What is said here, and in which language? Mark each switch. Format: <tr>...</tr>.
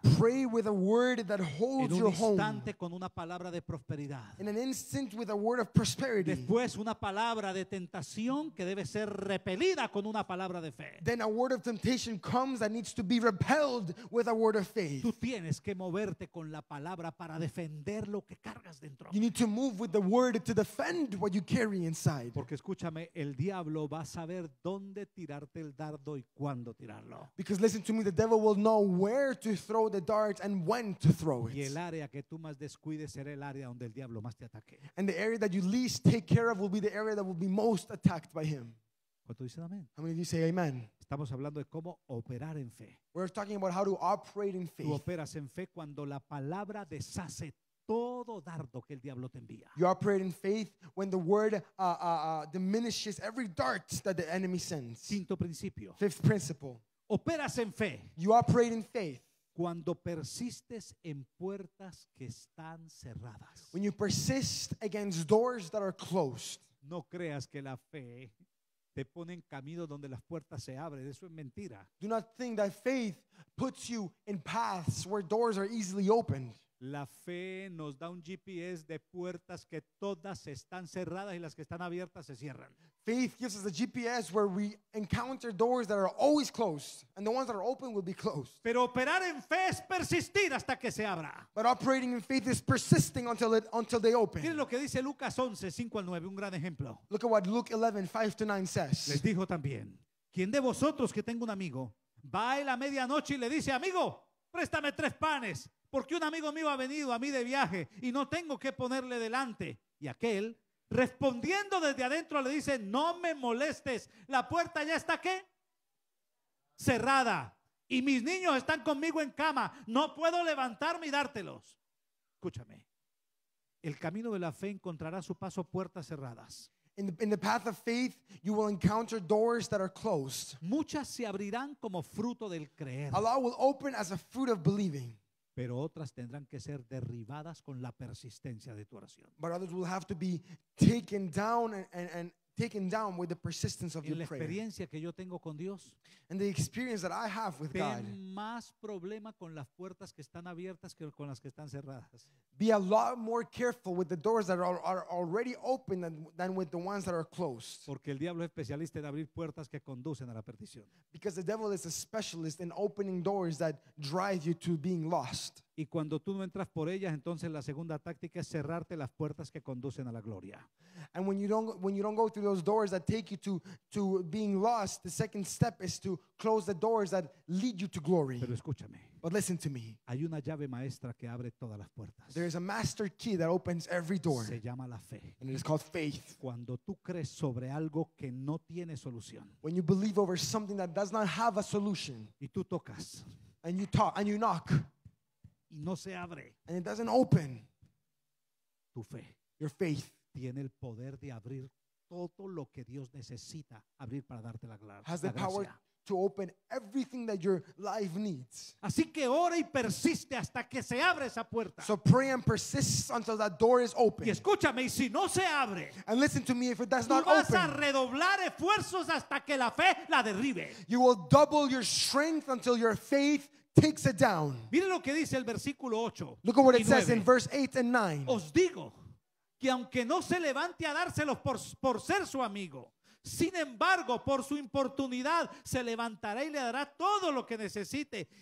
<en>Pray with a word that holds your home.</en> <es>En un instante con una palabra de prosperidad.</es> <en>In an instant with a word of prosperity.</en> <es>Después una palabra de tentación que debe ser repelida con una palabra de fe.</es> <en>Then a word of temptation comes that needs to be repelled with a word of faith.</en> <es>Tú tienes que moverte con la palabra para defender lo que cargas dentro.</es> <en>You need to move with the word to defend what you carry inside.</en> <es>Porque escúchame, el diablo va a saber dónde tirarte el dardo y cuándo tirarlo.</es> <en>Because listen to me, the devil will know where to throw the dart and when to throw it.</en> <es>Y el área que tú más descuides será el área donde el diablo más te ataque.</es> <en>And the area that you least take care of will be the area that will be most attacked by him.</en> <es>¿Cuánto dicen amén?</es> <en>How many of you say amen?</en> <es>Estamos hablando de cómo operar en fe.</es> <en>We're talking about how to operate in faith.</en> <es>Tú operas en fe cuando la palabra deshace todo dardo que el diablo te envía.</es> <en>You operate in faith when the word diminishes every dart that the enemy sends.</en> <es>Quinto principio.</es> <en>Fifth principle.</en> <es>Operas en fe.</es> <en>You operate in faith.</en> <es>Cuando persistes en puertas que están cerradas.</es> <en>When you persist against doors that are closed.</en> <es>No creas que la fe te pone en camino donde las puertas se abren. Eso es mentira.</es> <en>Do not think that faith puts you in paths where doors are easily opened.</en> <es>La fe nos da un GPS de puertas que todas están cerradas y las que están abiertas se cierran.</es> <en>Faith gives us a GPS where we encounter doors that are always closed and the ones that are open will be closed.</en> <es>Pero operar en fe es persistir hasta que se abra.</es> <en>But operating in faith is persisting until they open.</en> <es>Miren lo que dice Lucas 11, 5 al 9, un gran ejemplo.</es> <en>Look at what Luke 11, 5 to 9 says.</en> <es>Les dijo también, ¿quién de vosotros que tenga un amigo va a la medianoche y le dice, amigo, préstame tres panes? Porque un amigo mío ha venido a mí de viaje y no tengo que ponerle delante. Y aquel, respondiendo desde adentro, le dice, no me molestes, la puerta ya está, ¿qué? Cerrada. Y mis niños están conmigo en cama, no puedo levantarme y dártelos. Escúchame, el camino de la fe encontrará su paso puertas cerradas.</es> <en>In the path of faith, you will encounter doors that are closed.</en> <es>Muchas se abrirán como fruto del creer.</es> <en>A lot will open as a fruit of believing.</en> <es>Pero otras tendrán que ser derribadas con la persistencia de tu oración.</es> <en>But others will have to be taken down and taken down with the persistence of your prayer.</en> <es>La experiencia que yo tengo con Dios.</es> <en>And the experience that I have with God.</en> <es>Ten más problema con las puertas que están abiertas que con las que están cerradas.</es> <en>Be a lot more careful with the doors that are already open than with the ones that are closed.</en> <es>Porque el diablo es especialista en abrir puertas que conducen a la perdición.</es> <en>Because the devil is a specialist in opening doors that drive you to being lost.</en> <es>Y cuando tú no entras por ellas, entonces la segunda táctica es cerrarte las puertas que conducen a la gloria.</es> <en>And when you don't go through those doors that take you to being lost, the second step is to close the doors that lead you to glory.</en> <es>Pero escúchame.</es> <en>But listen to me.</en> <es>Hay una llave maestra que abre todas las puertas.</es> <en>There is a master key that opens every door.</en> <es>Se llama la fe.</es> <en>And it is called faith.</en> <es>Cuando tú crees sobre algo que no tiene solución.</es> <en>When you believe over something that does not have a solution.</en> <es>Y tú tocas.</es> <en>And you talk and you knock.</en> <es>Y no se abre.</es> <en>And it doesn't open.</en> <es>Tu fe.</es> <en>Your faith.</en> <es>Tiene el poder de abrir todo lo que Dios necesita abrir para darte la gracia.</es> <en>Has the power to open everything that your life needs.</en> <es>Así que ora y persiste hasta que se abre esa puerta.</es> <en>So pray and persist until that door is open.</en> <es>Y escúchame, y si no se abre.</es> <en>And listen to me, if it does not open.</en> <es>Vas a redoblar esfuerzos hasta que la fe la derribe.</es> <en>You will double your strength until your faith takes it down.</en> <es>Mire lo que dice el versículo 8.</es> <en>Look at what it says in verse 8 and 9.</en> <es>Os digo que aunque no se levante a dárselos por ser su amigo, sin embargo, por su importunidad se levantará y le dará todo lo que necesite.</es>